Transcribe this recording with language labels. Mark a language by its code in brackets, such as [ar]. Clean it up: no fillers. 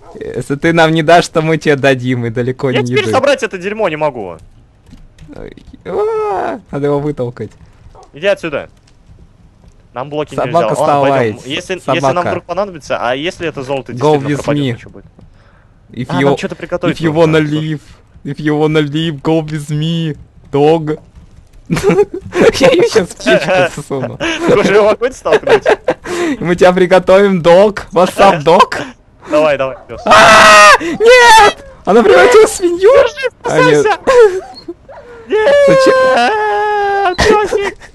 [ru] Если ты нам не дашь, то мы тебе дадим, и далеко не еды. Я теперь собрать это дерьмо не могу. Надо его вытолкать. Иди отсюда. Нам блоки собака нельзя. Собака, оставайся. Если нам вдруг понадобится, а если это золото действительно пропадет, что будет? Нам что-то приготовить. [en] If you wanna leave, go with me, dog. [ru] Я её сейчас в кишку засуну. Уже его хоть столкнуть? Мы тебя приготовим, [en] dog. What's up, dog? [ru] Давай, пёс. Нет! Она превратилась в свинью! Держи, спасайся! Нет! Пёсик!